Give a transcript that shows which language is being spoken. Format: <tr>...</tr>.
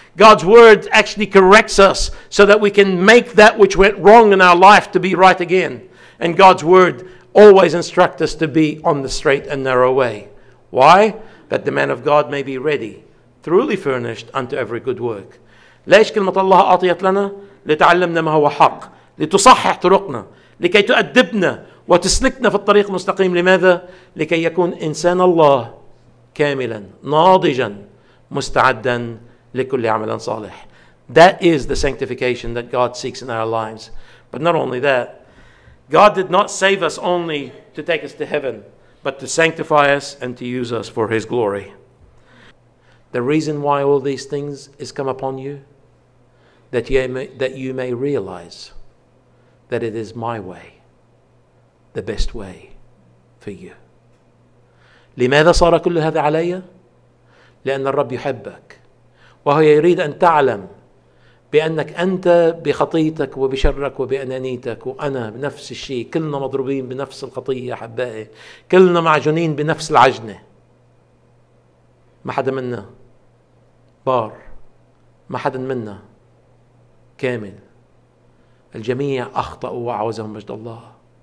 <en>God's word actually corrects us so that we can make that which went wrong in our life to be right again. And God's word always instructs us to be on the straight and narrow way. Why? That the man of God may be ready, thoroughly furnished unto every good work.</en> <ar>ليش كلمة الله أعطيت لنا؟ لتعلمنا ما هو حق، لتصحح طرقنا، لكي تؤدبنا وتسلكنا في الطريق المستقيم. لماذا؟ لكي يكون إنسان الله كاملا ناضجا مستعدا لكل عمل صالح.</ar> <en>That is the sanctification that God seeks in our lives. But not only that, God did not save us only to take us to heaven, but to sanctify us and to use us for His glory. The reason why all these things is come upon you, that you may realize that it is my way, the best way for you.</en> <ar>لماذا صار كل هذا علي؟ لأن الرب يحبك، وهو يريد أن تعلم بأنك أنت بخطيتك وبشرك وبأنانيتك، وأنا بنفس الشيء، كلنا مضروبين بنفس الخطية أحبائي، كلنا معجونين بنفس العجنة، ما حدا منا بار، ما حدا منا كامل، الجميع أخطأوا وعوزهم مجد الله.</ar>